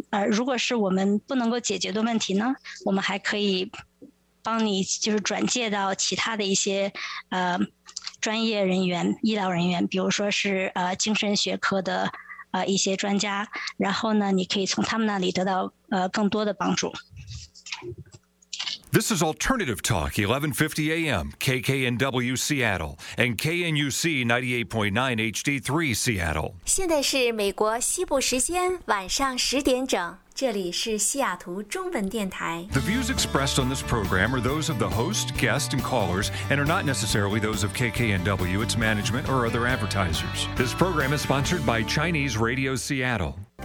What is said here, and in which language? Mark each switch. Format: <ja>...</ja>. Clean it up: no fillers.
<zh>如果是我们不能够解决的问题呢，我们还可以帮你就是转介到其他的一些专业人员、医疗人员，比如说是精神学科的一些专家，然后呢你可以从他们那里得到更多的帮助。</zh> <en>This is Alternative Talk, 1150 AM, KKNW Seattle, and KNUC 98.9 HD3 Seattle.</en> <zh>现在是美国西部时间晚上十点整，这里是西雅图中文电台。</zh> <en>The views expressed on this program are those of the host, guest, and callers, and are not necessarily those of KKNW, its management, or other advertisers. This program is sponsored by Chinese Radio Seattle.</en>